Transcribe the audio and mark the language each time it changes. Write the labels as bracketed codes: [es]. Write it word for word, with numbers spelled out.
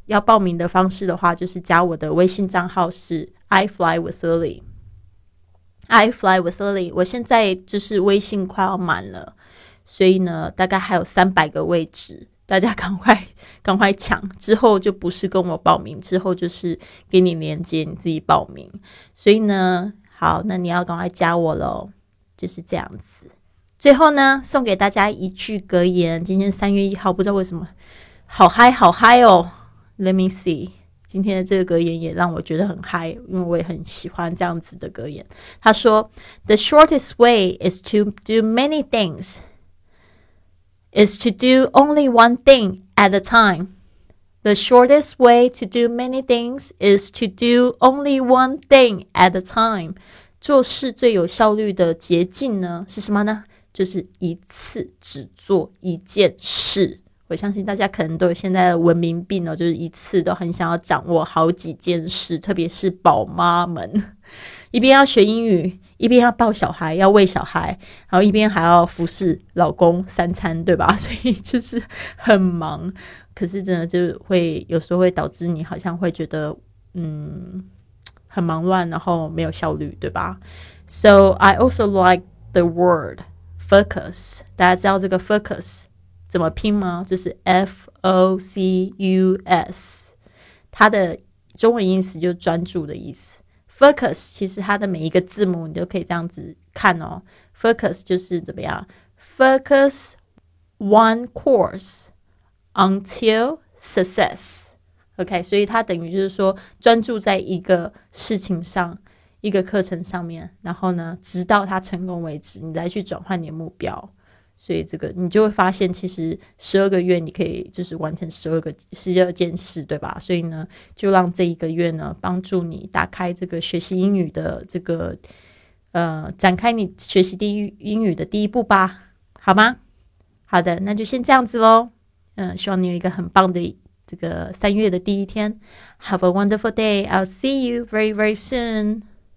[zh] 要报名的方式的话就是加我的微信账号是 iflywithlily iflywithlily， 我现在就是微信快要满了，所以呢大概还有三百个位置，大家赶快赶快抢，之后就不是跟我报名，之后就是给你连接你自己报名，所以呢好，那你要赶快加我咯，就是这样子。最后呢送给大家一句格言，今天三月一号不知道为什么好嗨好嗨哦， [en] let me see， [zh] 今天的这个格言也让我觉得很嗨，因为我也很喜欢这样子的格言。他说 [en] The shortest way is to do many things is to do only one thing at a time The shortest way to do many things is to do only one thing at a time. [zh] 做事最有效率的捷径呢，是什么呢？就是一次只做一件事。我相信大家可能都有现在的文明病哦，就是一次都很想要掌握好几件事，特别是宝妈们，一边要学英语，一边要抱小孩，要喂小孩，然后一边还要服侍老公三餐，对吧？所以就是很忙，可是真的就会有时候会导致你好像会觉得嗯很忙乱，然后没有效率，对吧？ [en] So I also like the word focus. [zh] 大家知道这个 focus 怎么拼吗？就是 F O C U S， 它的中文意思就是专注的意思。 Focus 其实它的每一个字母你都可以这样子看哦。 [en] Focus [zh] 就是怎么样 [en] ？Focus one course until success。 [zh] OK， 所以它等于就是说专注在一个事情上、一个课程上面，然后呢，直到它成功为止，你再去转换你的目标。所以这个你就会发现，其实十二个月你可以就是完成十二个十二件事，对吧？所以呢，就让这一个月呢，帮助你打开这个学习英语的这个呃，展开你学习第一英语的第一步吧，好吗？好的，那就先这样子咯。嗯，希望你有一个很棒的这个三月的第一天。 [en] Have a wonderful day. I'll see you very very soon.